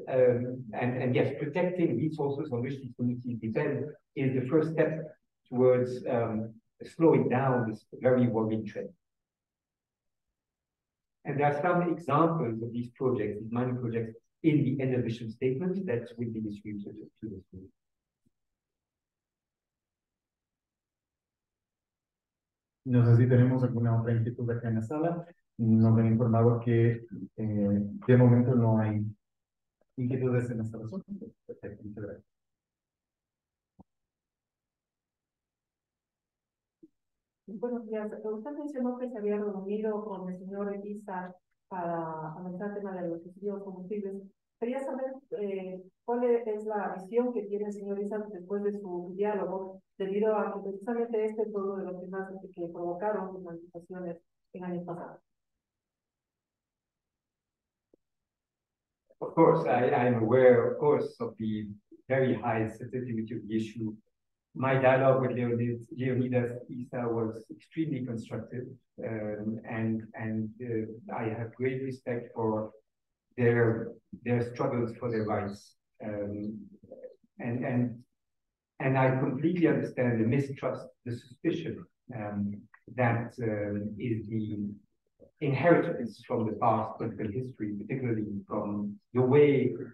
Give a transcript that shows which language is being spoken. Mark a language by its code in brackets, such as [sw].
[en] And yes, protecting resources on which these communities depend is the first step towards slowing down this very worrying trend. And there are some examples of these projects, these mining projects, in the end of mission statement that will be distributed to the school. [es] No sé si tenemos alguna otra inquietud aquí en la sala. Nos han informado que de momento no hay inquietudes en esta razón. Perfecto, muchas gracias. Buenos días. Usted mencionó que se había reunido con el señor Isa para analizar el tema de los residuos combustibles. Quería saber cuál es la visión que tiene el señor Isa después de su diálogo, debido a que precisamente este es uno de los temas que provocaron las manifestaciones en años pasados. [en] Of course, I am aware, of course, of the very high sensitivity of the issue. My dialogue with Leonidas Issa was extremely constructive, and I have great respect for their struggles for their rights, and I completely understand the mistrust, the suspicion that is the inheritance from the past political history, particularly from the way